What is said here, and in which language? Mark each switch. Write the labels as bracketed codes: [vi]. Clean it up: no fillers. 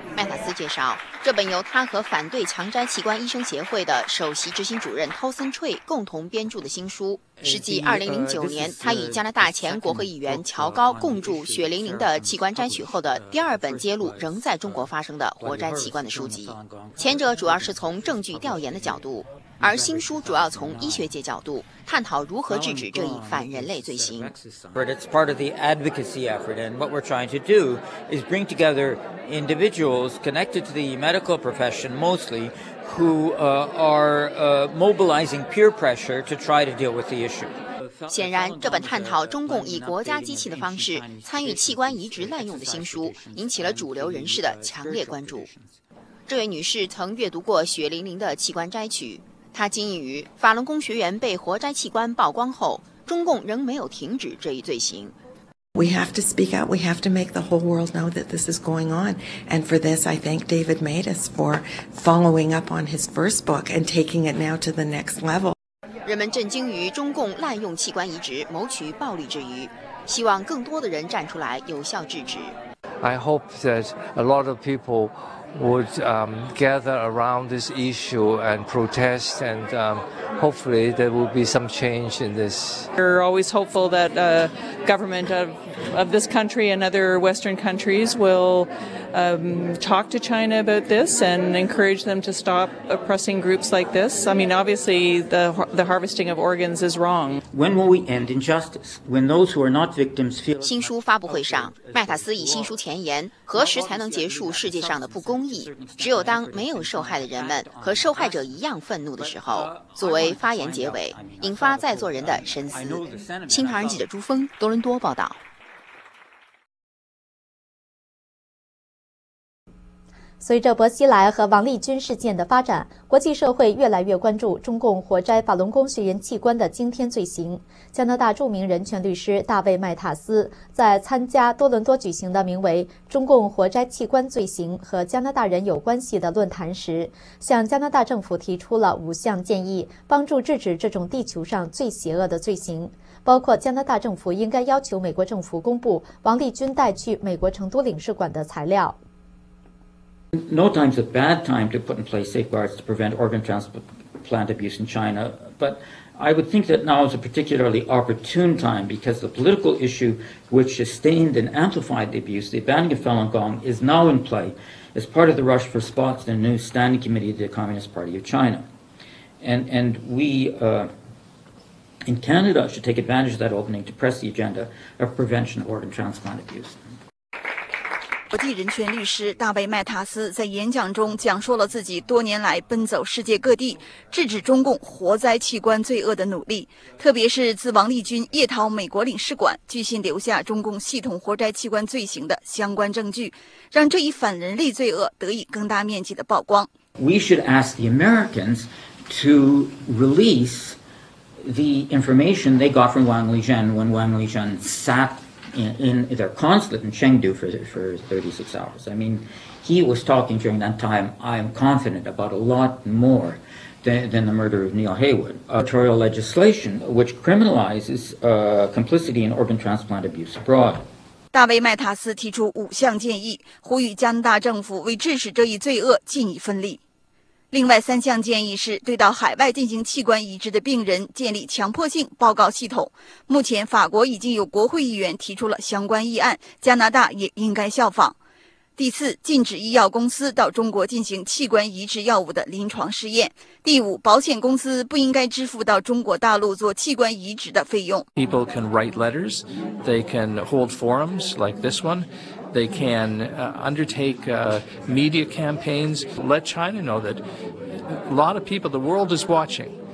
[zh] 麦塔斯介绍，这本由他和反对强摘器官医生协会的首席执行主任 Tolson Trey 共同编著的新书，是继2009年他与加拿大前国会议员乔高共著《血淋淋的器官摘取》后的第二本揭露仍在中国发生的活摘器官的书籍。前者主要是从证据调研的角度，而新书主要从医学界角度探讨如何制止这一反人类罪行。 [en] It's part of the advocacy effort, and what we're trying to do is bring together individuals connected to the medical profession mostly, who are mobilizing peer pressure to try to deal with the issue. [zh] 显然，这本探讨中共以国家机器的方式参与器官移植滥用的新书，引起了主流人士的强烈关注。这位女士曾阅读过《血淋淋的器官摘取》。他惊异于法轮功学员被活摘器官曝光后，中共仍没有停止这一罪行。 [en] We have to speak out. We have to make the whole world know that this is going on. And for this, I thank David Matus for following up on his first book and taking it now to the next level. [zh] 人们震惊于中共滥用器官移植谋取暴利之余，希望更多的人站出来有效制止。 [en] I hope that a lot of people. Would gather around this issue and protest, and hopefully there will be some change in this. We're always hopeful that government of this country and other Western countries will talk to China about this and encourage them to stop oppressing groups like this. I mean, obviously the harvesting of organs is wrong. When will we end injustice? When those who are not victims feel. [zh] 新书发布会上，麦塔斯以新书前言，何时才能结束世界上的不公？只有当没有受害的人们和受害者一样愤怒的时候，作为发言结尾，引发在座人的深思。新唐人记者朱峰，多伦多报道。随着薄熙来和王立军事件的发展，国际社会越来越关注中共活摘法轮功学员器官的惊天罪行。加拿大著名人权律师大卫·麦塔斯在参加多伦多举行的名为《中共活摘器官罪行和加拿大人有关系》的论坛时，向加拿大政府提出了五项建议，帮助制止这种地球上最邪恶的罪行。包括加拿大政府应该要求美国政府公布王立军带去美国成都领事馆的材料。 [en] No time's a bad time to put in place safeguards to prevent organ transplant abuse in China, but I would think that now is a particularly opportune time because the political issue which sustained and amplified the abuse, the banning of Falun Gong, is now in play as part of the rush for spots in a new standing committee of the Communist Party of China. And we in Canada should take advantage of that opening to press the agenda of prevention of organ transplant abuse. [zh] 国际人权律师大卫·麦塔斯在演讲中讲述了自己多年来奔走世界各地制止中共活摘器官罪恶的努力，特别是自王立军夜逃美国领事馆，据信留下中共系统活摘器官罪行的相关证据，让这一反人类罪恶得以更大面积的曝光。 [en] We should ask the Americans to release the information they got from Wang Lijian when Wang Lijian sat in their consulate in Chengdu for 36 hours. I mean, he was talking during that time, I am confident, about a lot more than the murder of Neil Heywood. Territorial legislation which criminalizes complicity in organ transplant abuse abroad. [zh] 大卫·麦塔斯提出五项建议，呼吁加拿大政府为制止这一罪恶尽一份力。另外三项建议是对到海外进行器官移植的病人建立强迫性报告系统。目前法国已经有国会议员提出了相关议案，加拿大也应该效仿。第四，禁止医药公司到中国进行器官移植药物的临床试验。第五，保险公司不应该支付到中国大陆做器官移植的费用。 [en] People can write letters, they can hold forums like this one. They can undertake media campaigns. Let China know that a lot of people, the world is watching.